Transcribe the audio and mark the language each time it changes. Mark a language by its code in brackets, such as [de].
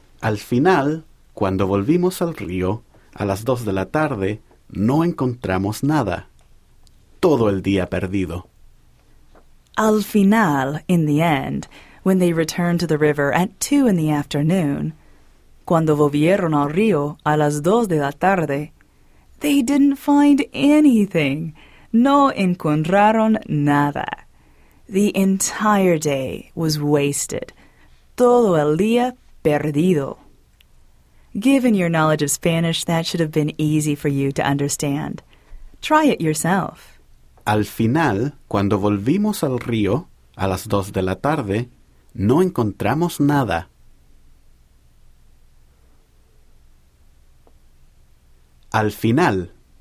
[es] Al final, cuando volvimos al río, a las 2 de la tarde, no encontramos nada. Todo el día perdido. [en] Al final, in the end, when they returned to the river at 2 in the afternoon, cuando volvieron al río a las 2 de la tarde, they didn't find anything. No encontraron nada. The entire day was wasted. Todo el día perdido. Given your knowledge of Spanish, that should have been easy for you to understand. Try it yourself. [es] Al final, cuando volvimos al río, a las 2 de la tarde, no encontramos nada. Al final.